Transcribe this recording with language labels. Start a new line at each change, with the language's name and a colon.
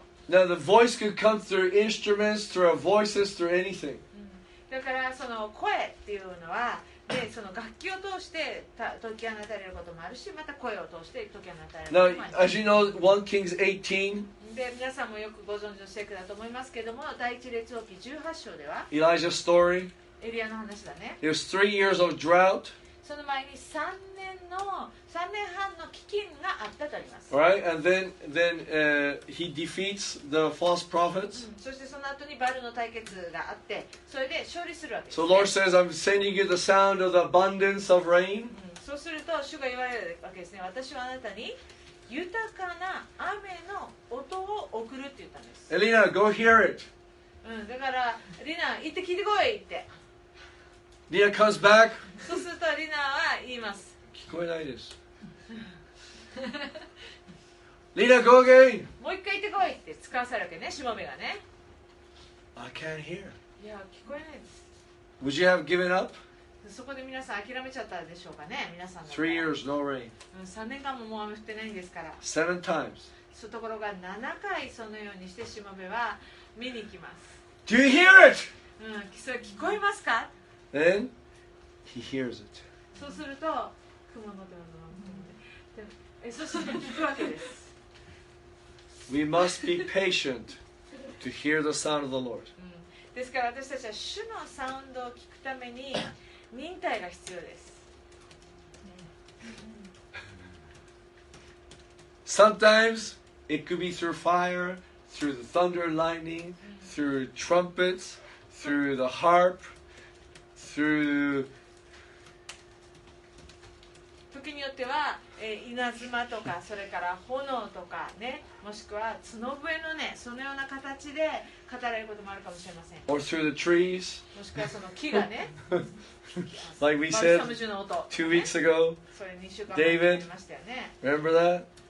English: Now, the voice could come through instruments, through our voices, through anything.
Japanese: だからその声っていうのは、で、その楽器を通して解き放たれることもあるし、また声を通して解き放たれることもあるし。
English: Now, as you know, 1 Kings 18,
Japanese: で、皆さんもよくご存知の聖句だと思いますけれども、第一列王記18章では、
English: Elijah's story,
Japanese: エリアの話だね。
English: There's 3 years of drought.
Japanese: その前に3年半の飢饉があったとあります。
English: All right, and then he defeats the false prophets.
Japanese: そしてその後にバルの対決があって、それで勝利するわけです。
English: So Lord says, I'm sending you the sound of the abundance of rain.
Japanese: そうすると主が言われるわけですね。私はあなたに豊かな雨の音を送るって言ったんです。
English: Elena, go hear it.
Japanese: だからリナ行って聞いてこいって。
English: Lina comes back.
Japanese: そうするとリナは言います。聞こえないです。
English: Lina, go again.
Japanese: もう一回言ってこいって使わせるわけね、しもべがね。
English: I can't hear.
Japanese: いや、聞こえないです。
English: Would you have given up?
Japanese: そこで皆さん諦めちゃったでしょうかね、皆さん。
English: Three years no rain.
Japanese: 3年間ももう雨降ってないんですから。
English: Seven times.
Japanese: そのところが7回そのようにしてしもべは見に行きます。
English: Do you hear it?
Japanese: それ聞こえますか？
English: Then he hears it.
Japanese: そうすると雲の音が聞こえるわけです。
English: We must be patient to hear the sound of the Lord.
Japanese: ですから私たちは主のサウンドを聞くために忍耐が必要です。
English: Sometimes it could be through fire, through the thunder and lightning, through trumpets, through the harp, through...
Japanese: 時によっては、稲妻とかそれから炎とかね、もしくは角笛のね、そのような形で語られることもあるかもしれません。
English: Or through the trees.
Japanese: もしくはその木がね。
English: like we said, two weeks ago, David, remember that?